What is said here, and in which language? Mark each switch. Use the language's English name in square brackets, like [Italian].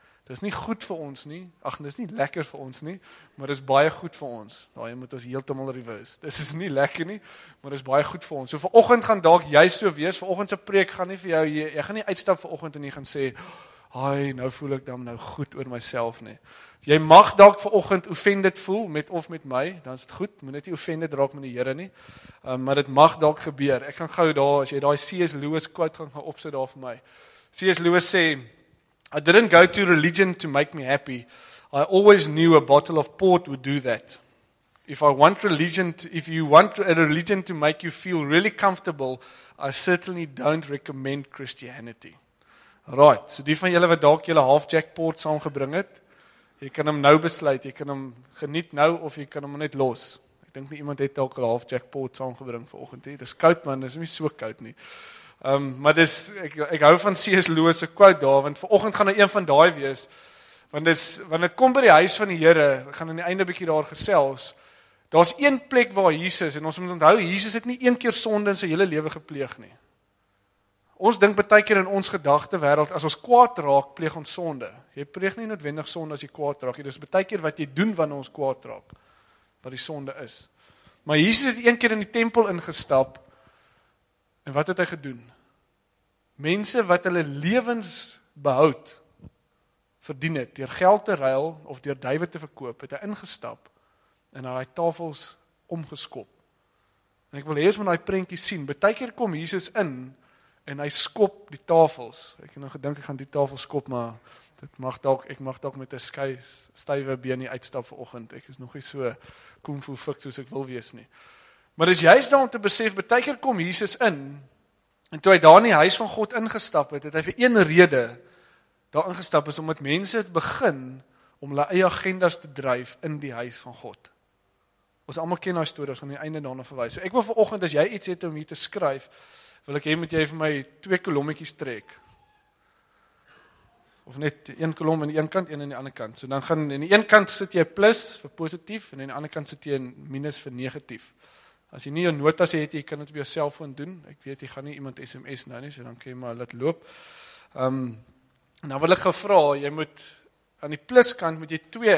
[Afrikaans] Dit is nie goed vir ons nie, ach, dit is nie lekker vir ons nie, maar dit is baie goed vir ons, daai moet ons heeltemal reverse, dit is nie lekker nie, maar dit is baie goed vir ons. So vanoggend gaan dalk juist so wees, vanoggend se preek gaan nie vir jou, jy gaan nie uitstap vanoggend en jy gaan sê, ai, nou voel ek dan nou goed oor myself nie. Jy mag dalk vanoggend offended voel, met of met my, dan is het goed, moet net nie offended raak met die Here nie, maar het mag dalk gebeur. Ek gaan gou daar, as jy daar C.S. Lewis quote gaan opsit daar vir my. [English] C.S. Lewis sê, I didn't go to religion to make me happy. I always knew a bottle of port would do that. If you want a religion to make you feel really comfortable, I certainly don't recommend Christianity. [Afrikaans] Right, so die van julle wat dalk julle half jackpot saamgebring het, jy kan hom nou besluit, jy kan hom geniet nou, of jy kan hom net los. Ek dink nie iemand het dalk al half jackpot saamgebring vanoggend, dit is koud man, dit is nie so koud nie. Maar dis, ek hou van C.S. Lewis se quote daar, want vanoggend gaan nou een van daai wees, want dit kom by die huis van die Here, gaan in die einde bietjie daar gesels, daar is een plek waar Jesus, en ons moet onthou, Jesus het nie 1 keer sonde in sy hele lewe gepleeg nie. Ons dink baie keer in ons gedagte wêreld, as ons kwaad raak, pleeg ons sonde. Jy pleeg nie noodwendig sonde as jy kwaad raak. Dit is baie keer wat jy doen wanneer ons kwaad raak, wat die sonde is. Maar Jesus het een keer in die tempel ingestap, en wat het hy gedoen? Mense wat hulle lewens behoud, verdien het, deur geld te ruil, of deur duiwe te verkoop, het hy ingestap, en hy tafels omgeskop. En ek wil hê ons moet daai prentjie sien. Baie keer kom Jesus in, en hy skop die tafels. Ek het nou gedink ek gaan die tafels skop, maar dit mag dalk, ek mag dalk met 'n stywe been uitstap vanoggend. Ek is nog nie so kung fu fik soos ek wil wees nie. Maar dis juist daar om te besef, baie keer kom Jesus in, en toe hy daar in die huis van God ingestap het, het hy vir een rede daar ingestap is, omdat mense het begin om hulle eie agendas te dryf in die huis van God. Ons almal ken daai stories, gaan die einde daarna verwys. So ek wil vanoggend, as jy iets het om hier te skryf, wil ek hê moet jy vir my twee kolommetjies trek. Of net een kolom aan die een kant, een aan die ander kant. So dan gaan aan die een kant sit jy plus vir positief en aan die ander kant sit jy minus vir negatief. As jy nie jou notas het, jy kan dit op jou selfoon doen. Ek weet jy gaan nie iemand SMS nou nie, so dan kan jy maar laat loop. Nou wil ek gevra, jy moet aan die pluskant moet jy twee.